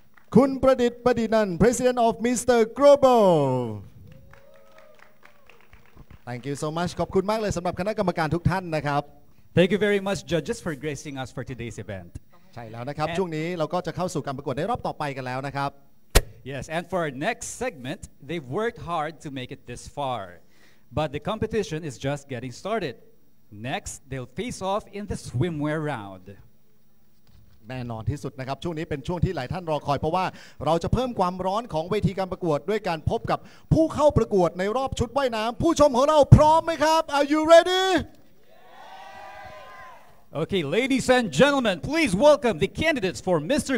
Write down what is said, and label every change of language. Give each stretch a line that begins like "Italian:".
English: Kun Pradit Padinan, President of Mr. Global. Thank you so much.
Thai: ขอบคุณมากเลยสำหรับคณะกรรมการทุกท่านนะครับ
English: Thank you very much, judges, for gracing us for today's event.
Thai: ใช่แล้วนะครับช่วงนี้เราก็จะเข้าสู่การประกวดในรอบต่อไปกันแล้วนะครับ
English: Yes, and for our next segment, they've worked hard to make it this far. But the competition is just getting started. Next, they'll face off in the swimwear round.
Thai: แน่นอนที่สุดนะครับช่วงนี้เป็นช่วงที่หลายท่านรอคอยเพราะว่าเราจะเพิ่มความร้อนของเวทีการประกวดด้วยการพบกับผู้เข้าประกวดในรอบชุดว่ายน้ำผู้ชมของเราพร้อมไหมครับ
English: Are you ready? Okay, ladies and gentlemen, please welcome the candidates for Mr.